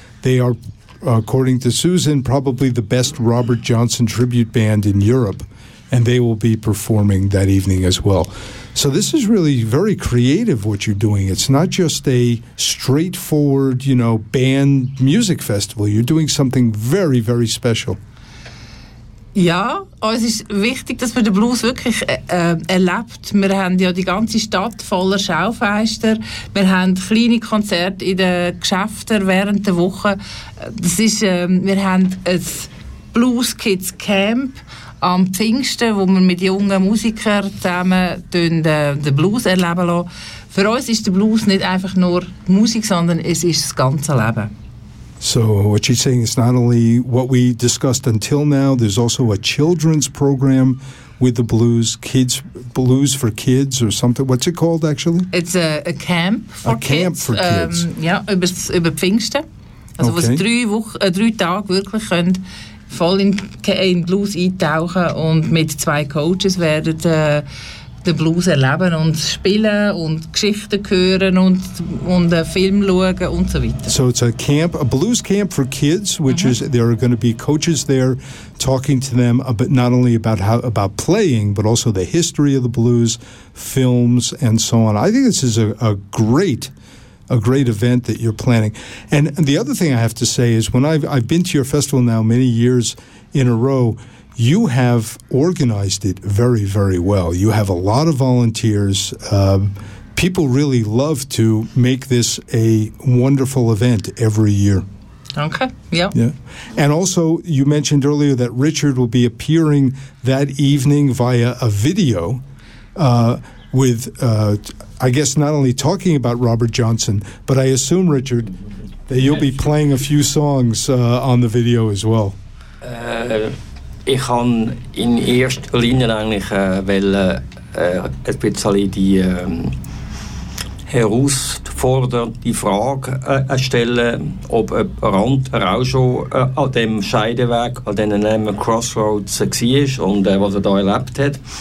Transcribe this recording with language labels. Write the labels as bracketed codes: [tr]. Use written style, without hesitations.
[en] They are, according to Susan, probably the best Robert Johnson tribute band in Europe. And they will be performing that evening as well. So this is really very creative what you're doing. It's not just a straightforward, you know, band music festival. You're doing something very, very special. [de] Ja, es ist wichtig, dass man den Blues wirklich erlebt. Wir haben ja die ganze Stadt voller Schaufenster. Wir haben kleine Konzerte in den Geschäften während der Woche. Das ist, wir haben ein Blues Kids Camp am Pfingsten, wo wir mit jungen Musikern zusammen den Blues erleben lassen. Für uns ist der Blues nicht einfach nur Musik, sondern es ist das ganze Leben. [en] So what you're saying is not only what we discussed until now, there's also a children's program with the blues, kids, blues for kids or something. What's it called actually? It's a camp for kids. A camp for kids. [de] Ja, über Pfingsten. Also okay. Wo sie drei Tage wirklich können voll in Blues eintauchen und mit zwei Coaches werden den Blues erleben und spielen und Geschichten hören und Film schauen und so weiter. [en] So it's a camp, a blues camp for kids, which is, there are going to be coaches there talking to them about, not only about playing, but also the history of the blues, films and so on. I think this is a great event that you're planning. And the other thing I have to say is when I've been to your festival now many years in a row, you have organized it very, very well. You have a lot of volunteers. People really love to make this a wonderful event every year. Okay, yeah. And also, you mentioned earlier that Richard will be appearing that evening via a video with... I guess not only talking about Robert Johnson, but I assume, Richard, that you'll be playing a few songs on the video as well. [de] Ich han in erster Linie eigentlich wollen ein bisschen die herausfordernde Frage stellen, ob ein Rand auch schon an dem Scheideweg, an dem Namen Crossroads war und was er da erlebt hat.